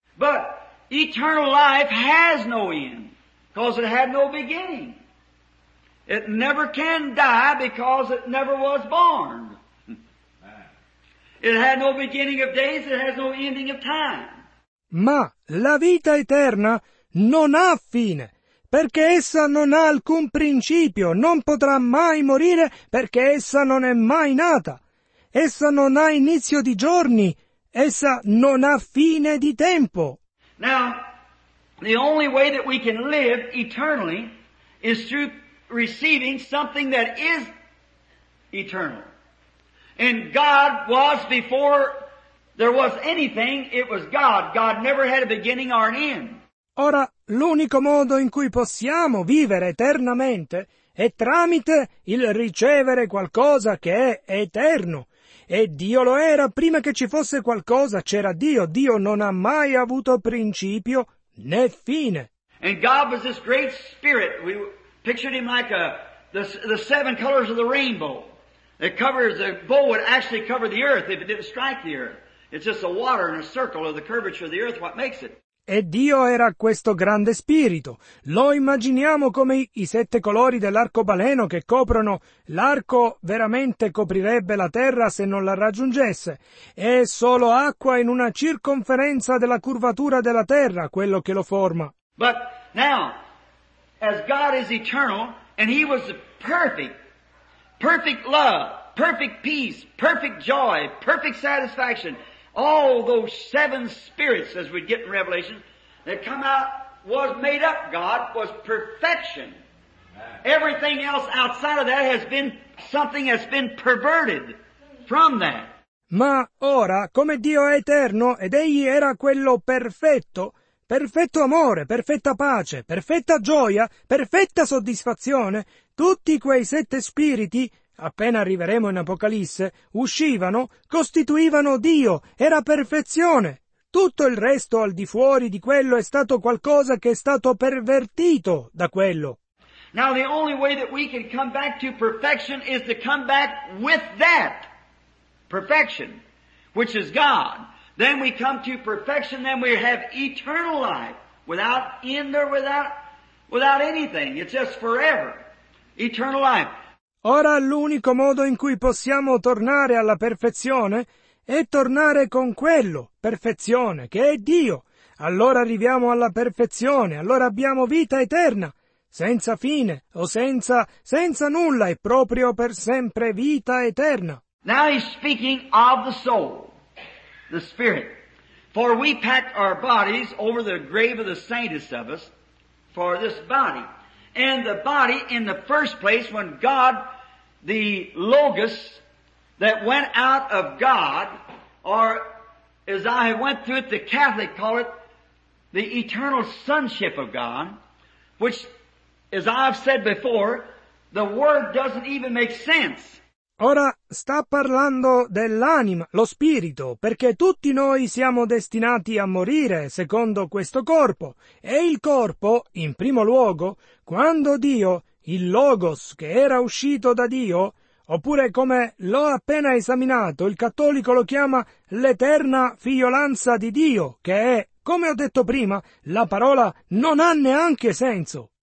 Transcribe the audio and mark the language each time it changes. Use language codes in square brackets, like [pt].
[en] But eternal life has no end. Because it had no beginning. It never can die because it never was born. It had no beginning of days, it has no ending of time. [it] Ma la vita eterna non ha fine, perché essa non ha alcun principio, non potrà mai morire perché essa non è mai nata. Essa non ha inizio di giorni, essa non ha fine di tempo. [en] Now, the only way that we can live eternally is through receiving something that is eternal. And God was before there was anything, it was God. God never had a beginning or an end. [it] Ora, l'unico modo in cui possiamo vivere eternamente è tramite il ricevere qualcosa che è eterno. E Dio lo era prima che ci fosse qualcosa, c'era Dio. Dio non ha mai avuto principio. Né fine. [en] And God was this great spirit. We pictured him like the seven colors of the rainbow. The bow would actually cover the earth if it didn't strike the earth. It's just the water in a circle of the curvature of the earth what makes it. [it] E Dio era questo grande spirito. Lo immaginiamo come i sette colori dell'arcobaleno che coprono. L'arco veramente coprirebbe la terra se non la raggiungesse. È solo acqua in una circonferenza della curvatura della terra quello che lo forma. [en] But now, as God is eternal, and he was perfect, perfect love, perfect peace, perfect joy, perfect satisfaction, all those seven spirits, as we get in Revelation, that come out, was made up, God, was perfection. Everything else outside of that has been something that's been perverted from that. [it] Ma ora, come Dio è eterno, ed egli era quello perfetto, perfetto amore, perfetta pace, perfetta gioia, perfetta soddisfazione, tutti quei sette spiriti, appena arriveremo in Apocalisse, uscivano, costituivano Dio, era perfezione. Tutto il resto al di fuori di quello è stato qualcosa che è stato pervertito da quello. [en] Now the only way that we can come back to perfection is to come back with that perfection. which is God. Then we come to perfection, then we have eternal life, without end or without anything. It's just forever. Eternal life. [it] Ora l'unico modo in cui possiamo tornare alla perfezione è tornare con quello, perfezione, che è Dio. Allora arriviamo alla perfezione, allora abbiamo vita eterna, senza fine o senza nulla, e proprio per sempre vita eterna. [en] Now he's speaking of the soul, the spirit. For we pack our bodies over the grave of the saintest of us for this body. And the body in the first place, when God, the Logos that went out of God, or as I went through it, the Catholic call it, the eternal sonship of God, which, as I've said before, the word doesn't even make sense. [it] Ora sta parlando dell'anima, lo spirito, perché tutti noi siamo destinati a morire secondo questo corpo. E il corpo, in primo luogo, quando Dio, il Logos che era uscito da Dio, oppure come l'ho appena esaminato, il cattolico lo chiama l'eterna figliolanza di Dio, che è, come ho detto prima, la parola non ha neanche senso.